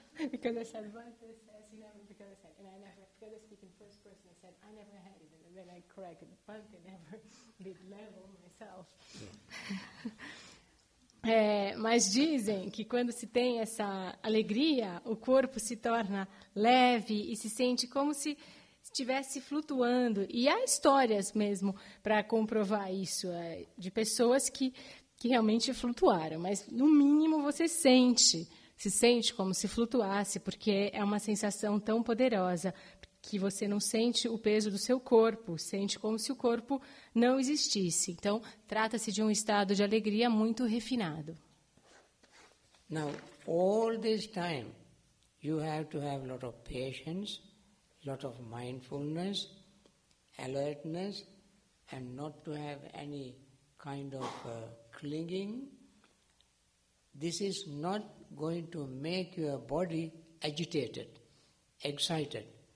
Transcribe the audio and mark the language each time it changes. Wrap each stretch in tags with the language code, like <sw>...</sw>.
<en>Because I said one person never, because I said, and I never, because I speak in first person, I said, I never had it, and then I corrected, but I never did level myself.</en> <pt>É, mas dizem que quando se tem essa alegria, o corpo se torna leve e se sente como se estivesse flutuando. E há histórias mesmo para comprovar isso, de pessoas que realmente flutuaram. Mas, no mínimo, você se sente como se flutuasse, porque é uma sensação tão poderosa que você não sente o peso do seu corpo, sente como se o corpo não existisse. Então, trata-se de um estado de alegria muito refinado.</pt> <en>Now, all this time, you have to have a lot of patience, a lot of mindfulness, alertness, and not to have any kind of clinging. This is not going to make your body agitated, excited.</en>